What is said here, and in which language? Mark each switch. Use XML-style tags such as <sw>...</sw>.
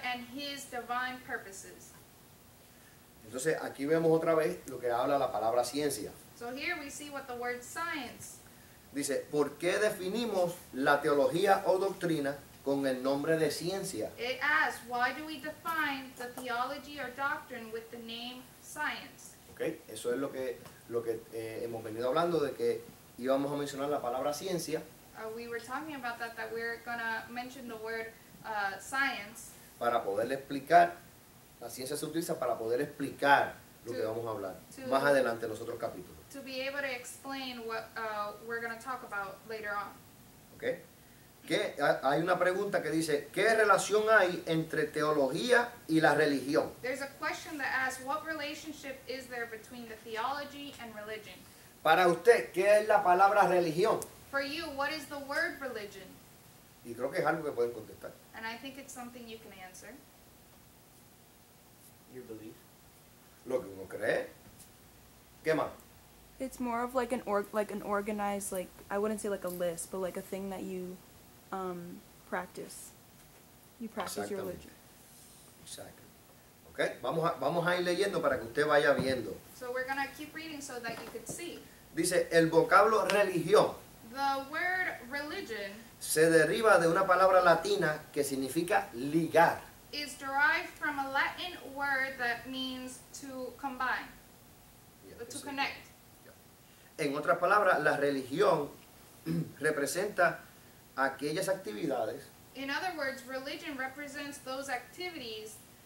<en>and his divine purposes.</en> <es>Entonces aquí vemos otra vez lo que habla la palabra ciencia.</es> <en>So here we see what the word science.</en> <es>Dice, ¿por qué definimos la teología o doctrina con el nombre de ciencia?</es> <en>It asks, why do we define the theology or doctrine with the name science?</en> <es>Okay, eso es lo que hemos venido hablando, de que íbamos a mencionar la palabra ciencia.</es> <en>We were talking about that we're going to mention the word science.</en> <es>Para poder explicar, la ciencia se utiliza para poder explicar lo que vamos a hablar más adelante en los otros capítulos.</es> <en>To be able to explain what we're going to talk about later on. Okay.</en> <es>Hay una pregunta que dice, ¿qué relación hay entre teología y la religión?</es> <en>There's a question that asks, what relationship is there between the theology and religion?</en> <es>Para usted, ¿qué es la palabra religión?</es> <en>For you, what is the word religion?</en> <es>Y creo que es algo que pueden contestar.</es> <en>And I think it's something you can answer. Your belief.</en> <es>Lo que uno cree. ¿Qué más?</es> <en>It's more of like an organized, like, I wouldn't say like a list, but like a thing that you practice. You practice your religion.</en> <es>Exacto. Okay, vamos a ir leyendo para que usted vaya viendo.</es> <en>So we're going to keep reading so that you could see.</en> <es>Dice, el vocablo religión.</es> <en>The word religion</en> <es>se deriva de una palabra latina que significa ligar.</es> <en>Is derived from a Latin word that means to combine, to connect.</en> <es>En otras palabras, la religión representa aquellas actividades.</es> <en>In other words, religion represents those activities</en>